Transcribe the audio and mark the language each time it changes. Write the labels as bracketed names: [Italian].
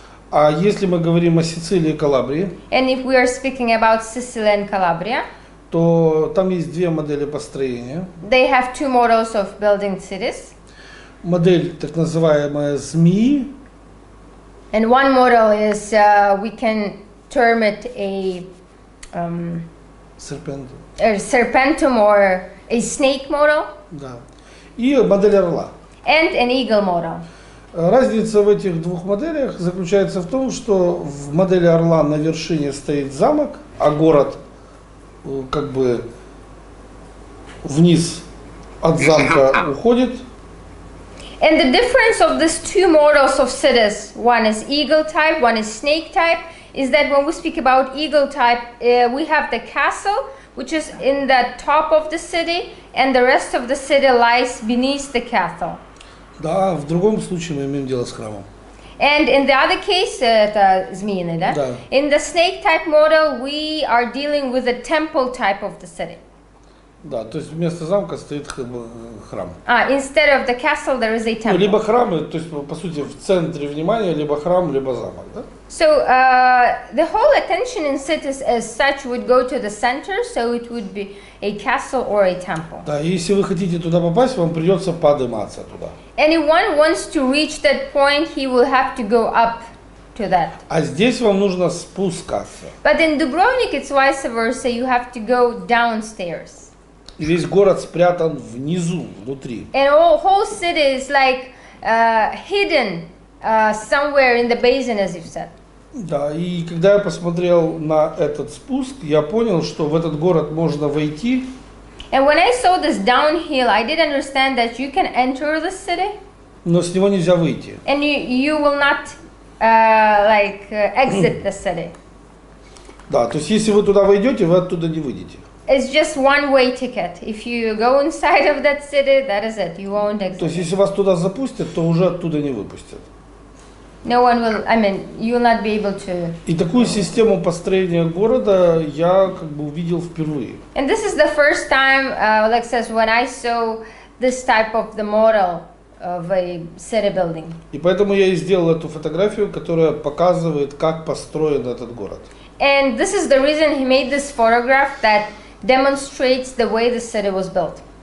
[Russian] А если мы говорим о Сицилии и Калабрии, [English] and if we are speaking about Sicily and Calabria, [Russian] то там есть две модели построения. [English] They have two models of building cities. [Russian] Модель, так называемая, змеи. [English] And one model is, we can term it a... Serpentum or a snake model. [Russian] Да. И модель орла. [English] And an eagle model. [Russian] Разница в этих двух моделях заключается в том, что в модели орла на вершине стоит замок, а город как бы вниз от замка уходит. [English] And the difference of these two models of cities, one is eagle type, one is snake type, is that when we speak about eagle type, we have the castle, which is in the top of the city, and the rest of the city lies beneath the castle. [Russian] Да, в другом случае мы имеем дело с храмом. [English] And in the other case, [Russian] это змеиный, да? Да. [English] In the snake type model, we are dealing with the temple type of the city. [Russian] Да, то есть вместо замка стоит храм. [English] А, instead of the castle, there is a temple. [Russian] Ну, либо храм, то есть, по сути, в центре внимания, либо храм, либо замок, да? [English] So, the whole attention in cities as such would go to the center, so it would be a castle or a temple. [Russian] Да, если вы хотите туда попасть, вам придется подниматься туда. [English] Anyone wants to reach that point, he will have to go up to that. [Russian] А здесь вам нужно спускаться. [English] But in Dubrovnik, it's vice versa, you have to go downstairs. [Russian] И весь город спрятан внизу, внутри. [English] And all, whole city is like hidden somewhere in the basin, as you've said. [Russian] Да, и когда я посмотрел на этот спуск, я понял, что в этот город можно войти. [English] And when I saw this downhill, I did understand that you can enter the city. [Russian] Но с него нельзя выйти. [English] And you will not exit the city. [Russian] Да, то есть если вы туда войдете, вы оттуда не выйдете. [English] It's just one-way ticket. If you go inside of that city, that is it. You won't exit. [Russian] То есть, если вас туда запустят, то уже оттуда не выпустят. [English] No one will. I mean, you will not be able to. [Russian] И такую систему построения города я как бы увидел впервые. [English] And this is the first time, Oleg says, when I saw this type of the model of a city building. [Russian] И поэтому я и сделал эту фотографию, которая показывает, как построен этот город. [English] And this is the reason he made this photograph that demonstrates the way the city was built.